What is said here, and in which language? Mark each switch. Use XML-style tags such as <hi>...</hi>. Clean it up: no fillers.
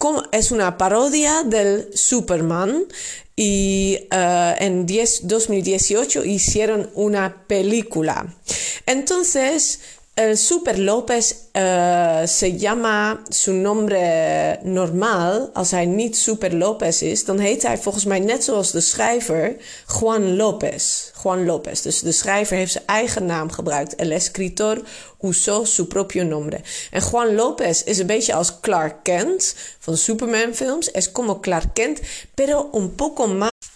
<es>Es una parodia del Superman. Y en 2018 hicieron una película. Entonces, Super López se llama su nombre normal.</es> <nl>Als hij niet Super López is, dan heet hij volgens mij net zoals de schrijver Juan López. Juan López. Dus de schrijver heeft zijn eigen naam gebruikt.</nl> <es>El escritor usó su propio nombre.</es> <nl>En Juan López is een beetje als Clark Kent van Superman-films.</nl> <es>Es como Clark Kent, pero un poco más.</es>